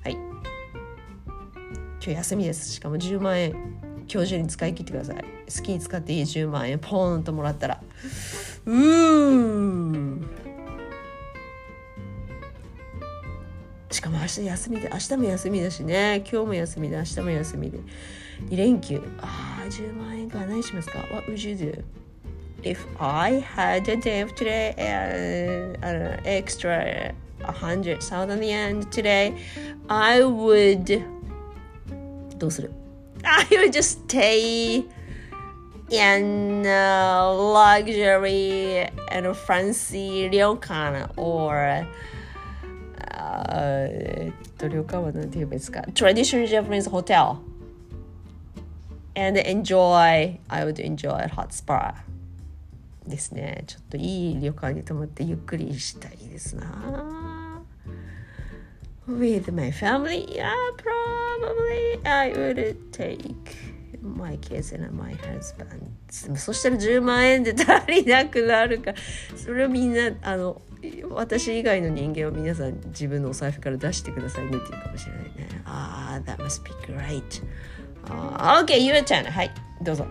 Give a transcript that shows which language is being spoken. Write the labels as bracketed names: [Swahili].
[Japanese] はい、今日休みです、しかも10万円今日中に使い切ってください、好きに使っていい10万円ポーンともらったら、うーしかも明日休みで、明日も休みだしね、今日も休みで明日も休みで2連休、ああ10万円か、何しますか。 [English] What would you do if I had a day of today and an extra 100,000 yen today? I would、どうする、 I would just stay in a luxury and a fancy 旅館 orTraditional Japanese hotel and enjoy, I would enjoy a hot spa ですね。 [Japanese] ちょっといい旅館に泊まってゆっくりしたいですな。 [English] With my family, yeah, probably I would take my kids and my husband。 [Japanese] そしたら10万円で足りなくなるか、それをみんな私以外の人間を皆さん自分のお財布から出してくださいねって言うかもしれないね。 [English] ああ、That must be great。 [Japanese] OK、ゆうちゃん、はい、どうぞ。